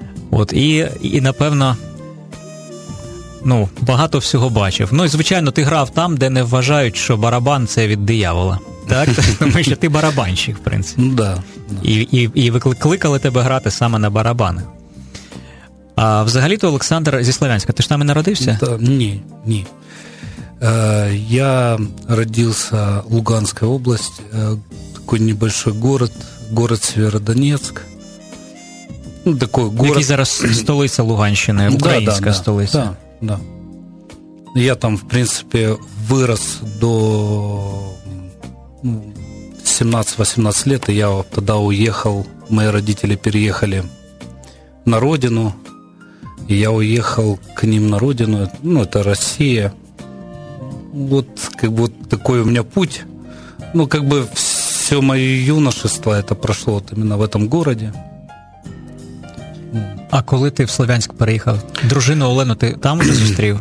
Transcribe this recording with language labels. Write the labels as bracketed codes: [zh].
[uk] От, і напевно, ну, багато всього бачив. Ну, і, звичайно, ти грав там, де не вважають, що барабан – це від диявола. Так? Тому що ти барабанщик, в принципі. [ru] Ну, да. [uk] І викликали тебе грати саме на барабани. А взагалі-то Олександр зі Слов'янська. Ти ж там і народився? Да, ні. [ru] Я родился в Луганской области, такой небольшой город Сєвєродонецьк. Ну, такой город. [uk] Який зараз столиця Луганщини, українська столиця. [ru] Да. [uk] Я там, в принципі, вирос до 17-18 лет, і я тоді [ru] уехал, мої родители переехали [uk] на родину. [ru] И я уехал к ним на родину, ну, это Россия. Вот, как бы, вот такой у меня путь. Ну, как бы все мое юношество это прошло вот именно в этом городе. А коли ты в Славянск переехал? Дружину Олену ты там уже встретил?